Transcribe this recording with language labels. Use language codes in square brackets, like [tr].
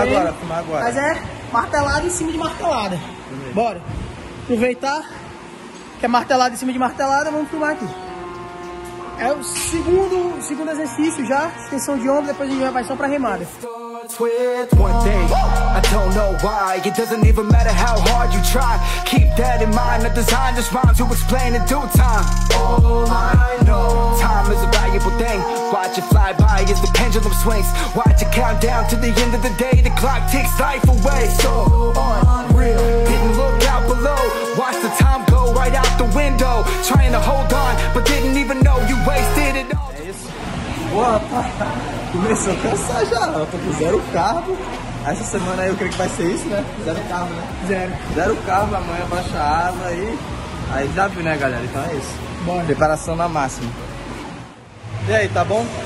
[pt] treino. Filmar agora. Mas é martelada em cima de martelada. Bora. Aproveitar que é martelada em cima de martelada, vamos filmar aqui. É o segundo exercício já, extensão de ombro, depois a gente vai só pra remada. [en] I don't know why. It doesn't even matter how hard you try. Keep that in mind. I designed this rhyme to explain in due time. All I know, time is a valuable thing. Watch it fly by as the pendulum swings. Watch it count down to the end of the day. The clock takes life away. So unreal. Didn't look out below. Watch the time go right out the window. Trying to hold on, but didn't even know you wasted it all. What? [pt] Começou a cansar já, eu tô com zero carbo. Essa semana aí eu creio que vai ser isso, né? Zero carbo, né? Zero carbo, amanhã baixa a asa aí. Aí já viu, né, galera? Então é isso. Bora. Preparação na máxima. E aí, tá bom?